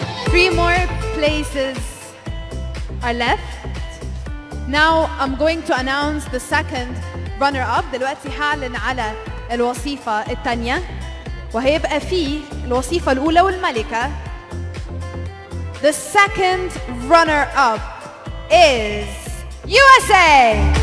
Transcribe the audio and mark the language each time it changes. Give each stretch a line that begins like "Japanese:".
English: Three more places are left. Now I'm going to announce the second runner-up.
Arabic: دلوقتي حاعلن على الوصيفة التانية وهيبقى في الوصيفة الأولى والملكة.
English: The second runner-up is USA!